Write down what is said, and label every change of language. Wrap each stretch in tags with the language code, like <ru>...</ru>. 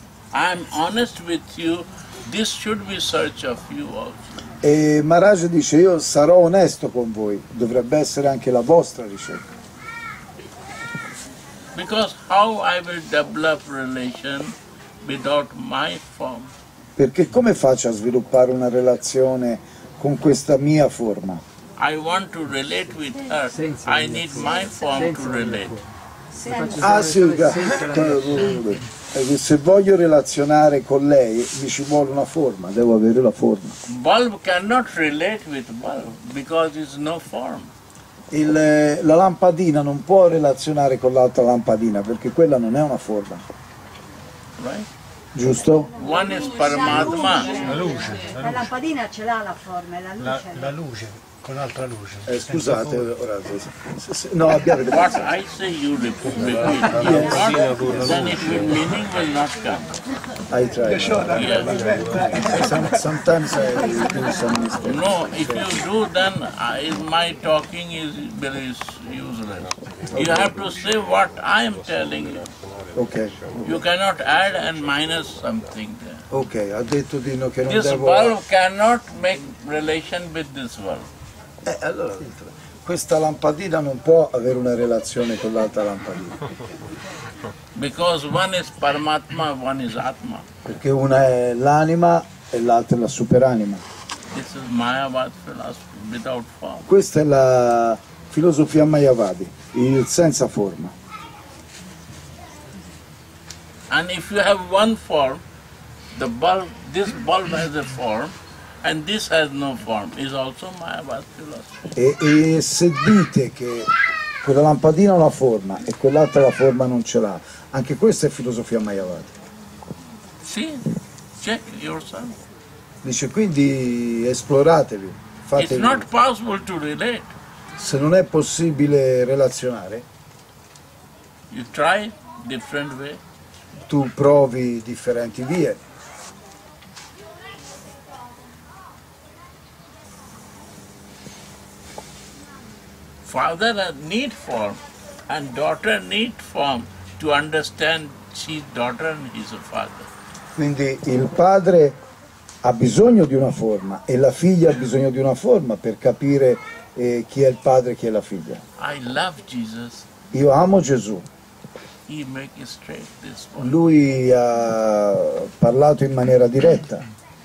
<en>I am honest with you, this should be search of you also.</en> <it>E Maharaj dice io sarò onesto con voi, dovrebbe essere anche la vostra ricerca.</it> <en>Because how I will develop relation without my form?</en> <it>Perché come faccio a sviluppare una relazione con questa mia forma?</it> <en>I want to relate with her. I need my form to relate.</en> <it>Se voglio relazionare con lei mi ci vuole una forma, devo avere la forma.</it> <en>Bulb cannot relate with bulb because it's no form.</en> <it>La lampadina non può relazionare con l'altra lampadina perché quella non è una forma.</it> <en>Right?</en> <it>Giusto?</it> <en>One is Paramatma.</en> <it>La luce. La lampadina ce l'ha la forma, è la luce. La luce. Con altra luce. Scusate, ora no, abbiate</it> <en>pazienza. What I say you repeat. Yes. Yes. Yes. Then it will meaning will not come. I try. Yes. Sometimes I do some mistakes. No, if you do, then my talking is very useless. You have to say what I am telling you. Okay. You cannot add and minus something there.</en> <it>Okay, ha detto di no che non devo.</it> <en>This bulb cannot make relation with this bulb.</en> <it>Allora, questa lampadina non può avere una relazione con l'altra lampadina.</it> <en>Because one is Paramatma, one is Atma.</en> <it>Perché una è l'anima e l'altra è la superanima.</it> <en>This is Mayavad philosophy without form.</en> <it>Questa è la filosofia Mayavadi, il senza forma.</it> <en>And if you have one form, the bulb, this bulb has a form. And this has no form. It's also Mayavad philosophy.</en> <it>E se dite che quella lampadina ha una forma e quell'altra la forma non ce l'ha, anche questa è filosofia Mayavad.</it> <en>Sì, check yourself.</en> <it>Dice quindi esploratevi, fatevi.</it> <en>It's not possible to relate.</en> <it>Se non è possibile relazionare,</it> <en>you try different way.</en> <it>Tu provi differenti vie.</it> <en>Father need form and daughter need form to understand his daughter and his father.</en> <it>Quindi il padre ha bisogno di una forma e la figlia ha bisogno di una forma per capire chi è il padre e chi è la figlia.</it> <en>I love Jesus.</en> <it>Io amo Gesù.</it> <en>He make straight this one.</en> <it>Lui ha parlato in maniera diretta.</it>